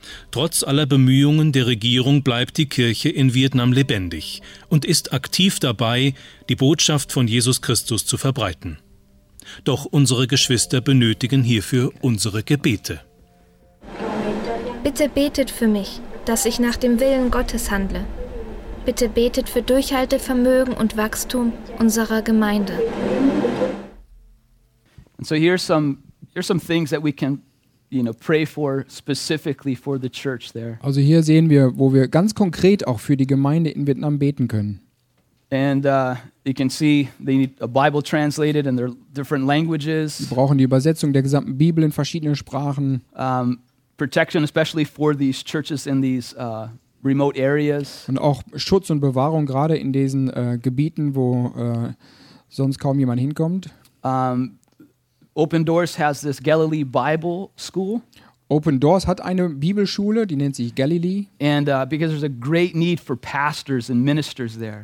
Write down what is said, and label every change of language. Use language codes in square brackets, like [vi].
[de] Trotz aller Bemühungen der Regierung bleibt die Kirche in Vietnam lebendig und ist aktiv dabei, die Botschaft von Jesus Christus zu verbreiten. Doch unsere Geschwister benötigen hierfür unsere Gebete. Bitte betet für mich, dass ich nach dem Willen Gottes handle. Bitte betet für Durchhaltevermögen und Wachstum unserer Gemeinde. [en] And so here's some things that we can, you know, pray for specifically for the church there. [de] Also hier sehen wir, wo wir ganz konkret auch für die Gemeinde in Vietnam beten können. [en] And you can see they need a Bible translated in their different languages. [de] Sie brauchen die Übersetzung der gesamten Bibel in verschiedenen Sprachen. [en] Protection especially for these churches in these remote areas. [de] Und auch Schutz und Bewahrung gerade in diesen Gebieten, wo sonst kaum jemand hinkommt. [en] Open Doors has this Galilee Bible School. [de] Open Doors hat eine Bibelschule, die nennt sich Galilee. [en] And because there's a great need for pastors and ministers there.